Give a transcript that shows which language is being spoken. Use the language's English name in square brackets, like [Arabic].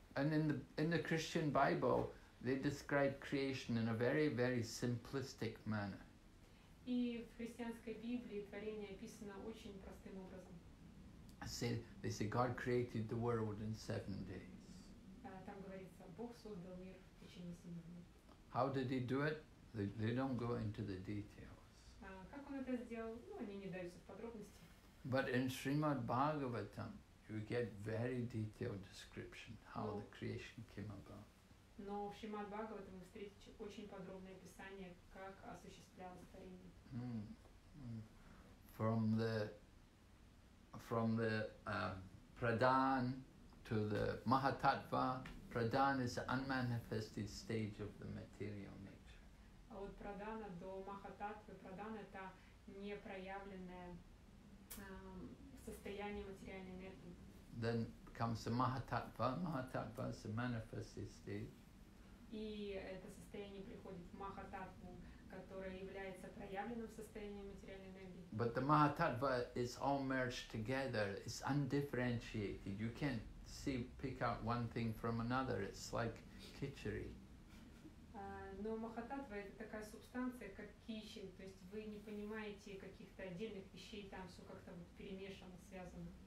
[English] And in the Christian Bible, they describe creation in a very very simplistic manner. [Russian] И в христианской Библии творение описано очень простым образом. [English] They say God created the world in 7 days. [Russian] Там говорится, Бог создал мир в течение 7 дней. [English] How did he do it? They don't go into the details. [Russian] Как он это сделал? Ну, они не даются в подробности. [English] But in Srimad Bhagavatam, you get very detailed description how the creation came about. [Russian] Но в Шримад Бхагаватам вы встретите очень подробное описание, как осуществлялось творение. [English] From the Pradhan to the Mahatattva. Pradhan is the unmanifested stage of the material nature. [Russian] От Прадана до Махататвы. Прадан — это непроявленное состояние материальной энергии. [English] Then comes the Mahatattva. Mahatattva is the manifested state. [Russian] И это состояние приходит в Махататтву, которое является проявленным состоянием материальной энергии. [English] But the Mahatattva is all merged together. It's undifferentiated. You can't see, pick out one thing from another. It's like khichdi. [Russian] Но Махататтва это такая субстанция, как кичи. То есть вы не понимаете каких-то отдельных вещей, там все как-то вот перемешано, связано.